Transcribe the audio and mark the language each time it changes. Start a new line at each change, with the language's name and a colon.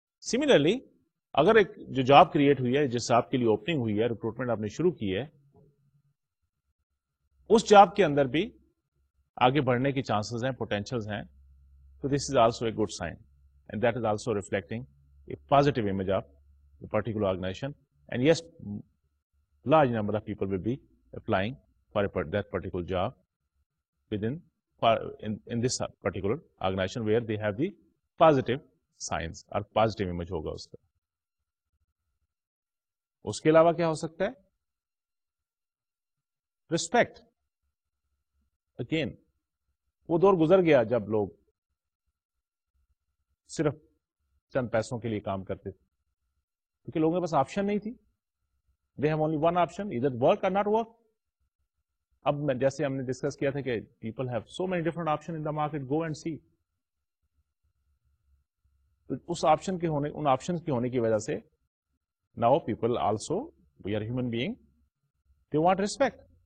Urdu: Similarly اگر ایک جو جاب کریٹ ہوئی ہے, جس آپ کے لیے اوپننگ ہوئی ہے, ریکروٹمنٹ آپ نے شروع کی ہے, اس جاب کے اندر بھی آگے بڑھنے کے چانسز ہیں, پوٹینشیلز ہیں, تو
English: this is also a good sign, and that is also reflecting a positive image of the particular organization, and yes, large number of people will be applying for that particular job within in this particular organization where they have the positive signs or positive image
Urdu: hoga uska. Uske alawa kya ho sakta hai?
English: Respect.
Urdu: Again, وہ دور گزر گیا جب لوگ صرف چند پیسوں کے لیے کام کرتے تھے, کیونکہ لوگوں کے پاس آپشن نہیں تھی.
English: They have only one option, either work or not work.
Urdu: اب میں جیسے ہم نے ڈسکس کیا تھا کہ
English: People have so many different option in the market, go and see.
Urdu: اس option کے ہونے, ان آپشن کے ہونے کی وجہ سے
English: Now people also, we are human being, they want respect.